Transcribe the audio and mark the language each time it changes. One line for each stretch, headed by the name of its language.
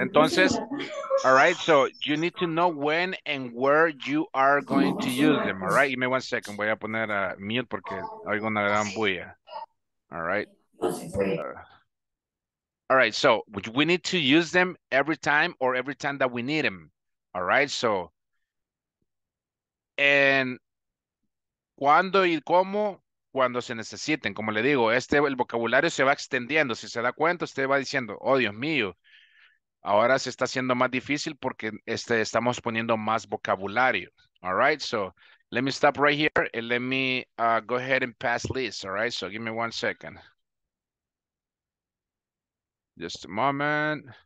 English: Entonces, all right, so you need to know when and where you are going to use them, all right? Give me 1 second.
Spanish: Voy a poner a mute porque oigo una gran bulla.
English: All right. All right, so we need to use them every time that we need them, all right?
Spanish: So, and cuando y cómo, cuando se necesiten. Como le digo, el vocabulario se va extendiendo. Si se da cuenta, usted va diciendo, oh, Dios mío, ahora se está haciendo más difícil porque estamos poniendo más vocabulario.
English: All right, so let me stop right here and let me go ahead and pass this. All right, so give me 1 second. Just a moment.